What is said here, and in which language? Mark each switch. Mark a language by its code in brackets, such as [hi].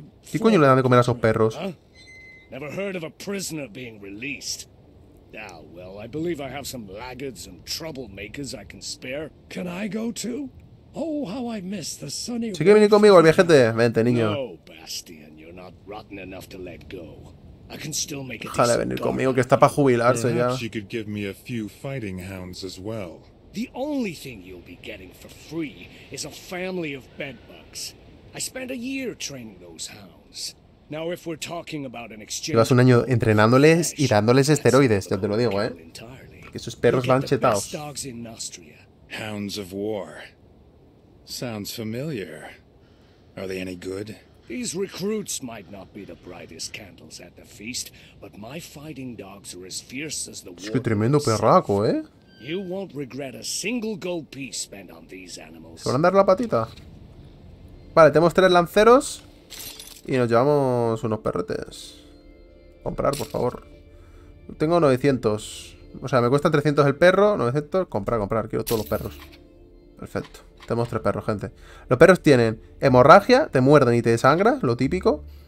[es] ¿Qué coño le dan de comer a esos perros? [en] Never heard of a prisoner being released. Ah, well, I believe I have some laggards and troublemakers I can spare. Can I go too? Oh, how I miss the sunny. [es] Sí que viene conmigo el viajete, vente, niño. [en] No, Bastian, you're not rotten enough to let go. I can still make it. [es] Jale, venir conmigo que está para jubilarse ya. [en] She could give me a few fighting hounds as well. The only thing you'll be getting for free is a family of bedbugs. I spent a year training those hounds. Now if we're talking about an exchange. [es] Llevas un año entrenándoles y dándoles esteroides, ya te lo digo, ¿eh? Porque esos perros van chetados. [en] Hounds of war. Sounds familiar. Are they any good? These recruits might not be the brightest candles at the feast, but my fighting dogs are as fierce as the [es] wolves. Es que tremendo perraco, ¿eh? [en] You won't regret a single gold piece spent on these animals. [es] Se van a dar la patita. Vale, tenemos tres lanceros y nos llevamos unos perretes. Comprar, por favor. Tengo 900. O sea, me cuesta 300 el perro, 900. Comprar, quiero todos los perros. Perfecto. Tenemos tres perros, gente. Los perros tienen hemorragia, te muerden y te desangras, lo típico.